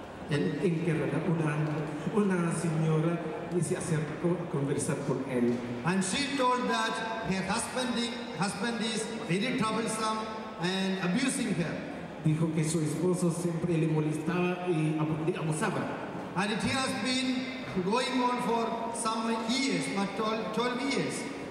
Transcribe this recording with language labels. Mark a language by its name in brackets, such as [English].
[Spanish] En Kerala, una señora se acercó a conversar con él. [English] And she told that her husband is very troublesome and abusing her. [Spanish] Dijo que su esposo siempre le molestaba y abusaba. [English] And it has been going on for some years, but 12 years.